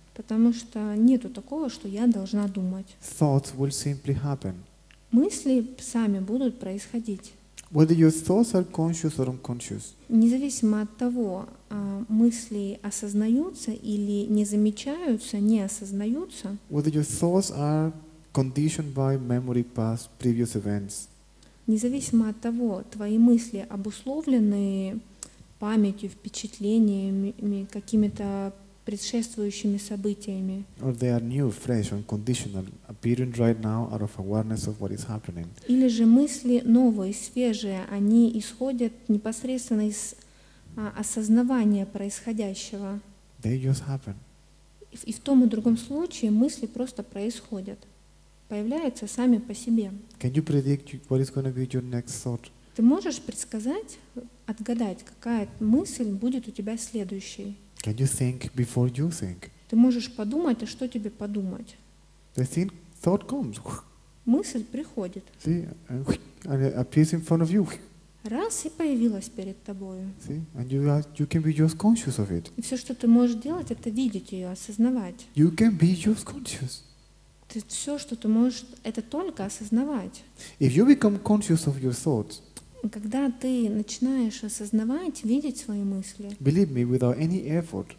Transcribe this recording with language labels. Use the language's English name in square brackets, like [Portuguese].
[Russian] Потому что нету такого, что я должна думать. [English] Thoughts will simply happen. [Russian] Мысли сами будут происходить. [English] Whether your thoughts are conscious or unconscious. [Russian] Независимо от того, мысли осознаются или не замечаются, не осознаются. [English] Whether your thoughts are conditioned by memory, past, previous events. [Russian] Независимо от того, твои мысли обусловлены памятью, впечатлениями, какими-то предшествующими событиями. [English] Or they are new, fresh, unconditional, appearing right now out of awareness of what is happening. [Russian] Или же мысли новые, свежие, они исходят непосредственно из осознавания происходящего. [English] They just happen. [Russian] И в том и другом случае мысли просто происходят, появляются сами по себе. [English] Can you predict what is going to be your next thought? [Russian] Ты можешь предсказать, отгадать, какая мысль будет у тебя следующей? [English] Can you think before you think? [Russian] Ты можешь подумать, а что тебе подумать? [English] The thing, thought comes. [Russian] Мысль приходит. [English] See, and it appears in front of you. [Russian] Раз и появилась перед тобою. [English] See, and you can be just conscious of it. [Russian] И все, что ты можешь делать, это видеть ее, осознавать. [English] You can be just conscious. [Russian] Ты все, что ты можешь, это только осознавать. [English] If you become conscious of your thoughts. [Russian] Когда ты начинаешь осознавать, видеть свои мысли, [English] believe me, without any effort,